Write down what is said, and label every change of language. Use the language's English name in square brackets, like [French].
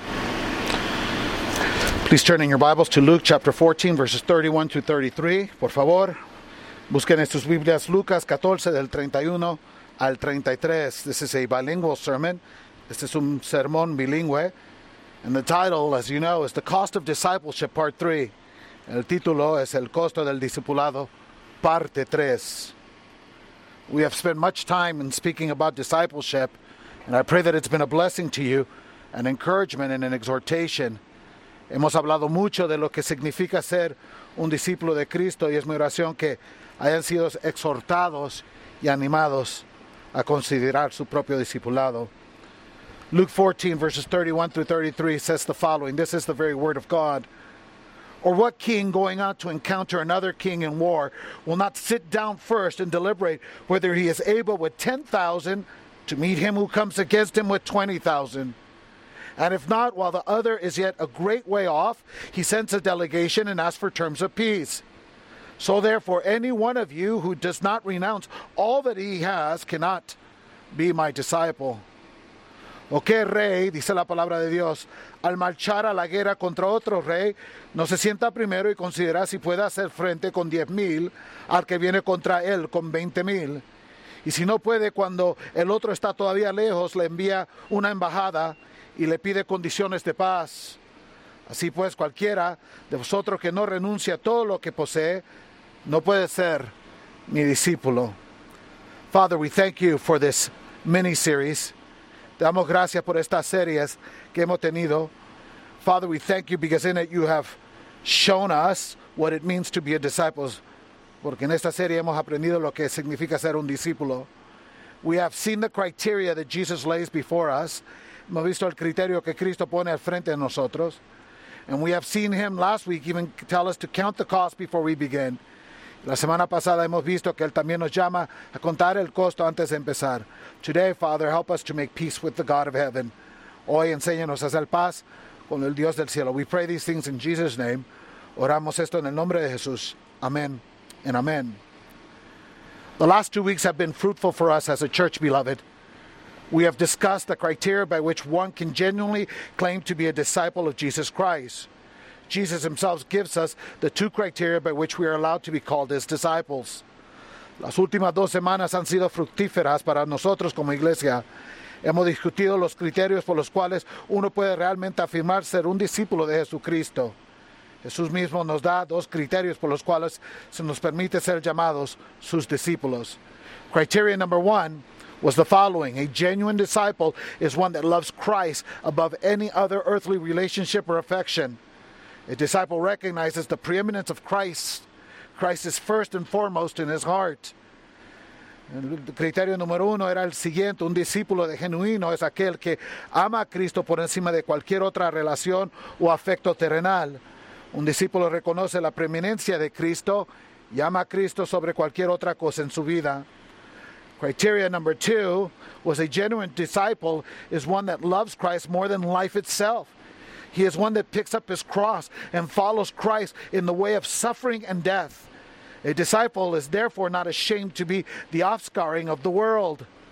[English] Please turn in your Bibles to Luke chapter 14, verses 31 to 33. [Spanish] Por favor, busquen en sus Biblias Lucas 14, del 31 al 33. [English] This is a bilingual sermon. [Spanish] Este es un sermón bilingüe. [English] And the title, as you know, is The Cost of Discipleship, Part 3. [Spanish] El título es El Costo del Discipulado, Parte 3. [English] We have spent much time in speaking about discipleship, and I pray that it's been a blessing to you, an encouragement and an exhortation. [Spanish] Hemos hablado mucho de lo que significa ser un discípulo de Cristo y es mi oración que hayan sido exhortados y animados a considerar su propio discipulado. [English] Luke 14, verses 31 through 33 says the following. This is the very word of God. Or what king going out to encounter another king in war will not sit down first and deliberate whether he is able with 10,000 to meet him who comes against him with 20,000? And if not, while the other is yet a great way off, he sends a delegation and asks for terms of peace. So therefore, any one of you who does not renounce all that he has cannot be my disciple. [Spanish] ¿O qué rey, dice la palabra de Dios, al marchar a la guerra contra otro rey, no se sienta primero y considera si puede hacer frente con 10,000 al que viene contra él con 20,000? Y si no puede, cuando el otro está todavía lejos, le envía una embajada y le pide condiciones de paz. Así pues, cualquiera de vosotros que no renuncia a todo lo que posee, no puede ser mi discípulo. [English] Father, we thank you for this mini-series. [Spanish] Te damos gracias por estas series que hemos tenido. [English] Father, we thank you because in it you have shown us what it means to be a disciple. [Spanish] Porque en esta serie hemos aprendido lo que significa ser un discípulo. [English] We have seen the criteria that Jesus lays before us. [Spanish] Hemos visto el criterio que Cristo pone al frente de nosotros. [English] And we have seen him last week even tell us to count the cost before we begin. [Spanish] La semana pasada hemos visto que él también nos llama a contar el costo antes de empezar. [English] Today, Father, help us to make peace with the God of heaven. [Spanish] Hoy, enséñanos a hacer paz con el Dios del cielo. [English] We pray these things in Jesus' name. [Spanish] Oramos esto en el nombre de Jesús. Amén and amén. [English] The last 2 weeks have been fruitful for us as a church, beloved. We have discussed the criteria by which one can genuinely claim to be a disciple of Jesus Christ. Jesus himself gives us the two criteria by which we are allowed to be called his disciples. [Spanish] Las últimas dos semanas han sido fructíferas para nosotros como iglesia. Hemos discutido los criterios por los cuales uno puede realmente afirmar ser un discípulo de Jesucristo. Jesús mismo nos da dos criterios por los cuales se nos permite ser llamados sus discípulos. [English] Criteria number one was the following. A genuine disciple is one that loves Christ above any other earthly relationship or affection. A disciple recognizes the preeminence of Christ. Christ is first and foremost in his heart. [Spanish] El criterio número uno era el siguiente. Un discípulo de genuino es aquel que ama a Cristo por encima de cualquier otra relación o afecto terrenal. Un discípulo reconoce la preeminencia de Cristo y ama a Cristo sobre cualquier otra cosa en su vida. [English] Criteria number two was a genuine disciple is one that loves Christ more than life itself. He is one that picks up his cross and follows Christ in the way of suffering and death. A disciple is therefore not ashamed to be the offscouring of the world.